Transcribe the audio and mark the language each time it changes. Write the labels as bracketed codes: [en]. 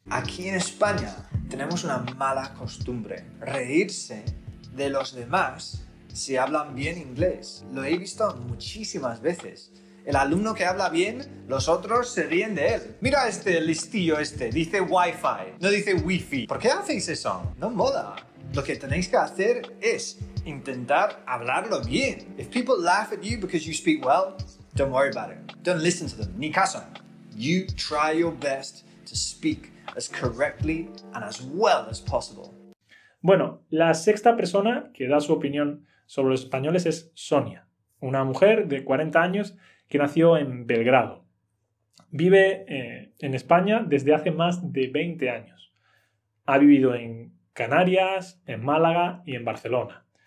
[es] Aquí en España tenemos una mala costumbre, reírse de los demás si hablan bien inglés. Lo he visto muchísimas veces. El alumno que habla bien, los otros se ríen de él. Mira este listillo este, dice Wi-Fi, no dice Wi-Fi. ¿Por qué hacéis eso? No mola. Lo que tenéis que hacer es intentar hablarlo bien. [en] If people laugh at you because you speak well, don't worry about it. Don't listen to them. [es] Ni caso. [en] You try your best to speak as correctly and as well as possible. [es] Bueno, la sexta persona que da su opinión sobre los españoles es Sonia, una mujer de 40 años que nació en Belgrado. Vive en España desde hace más de 20 años. Ha vivido en Canarias, en Málaga y en Barcelona.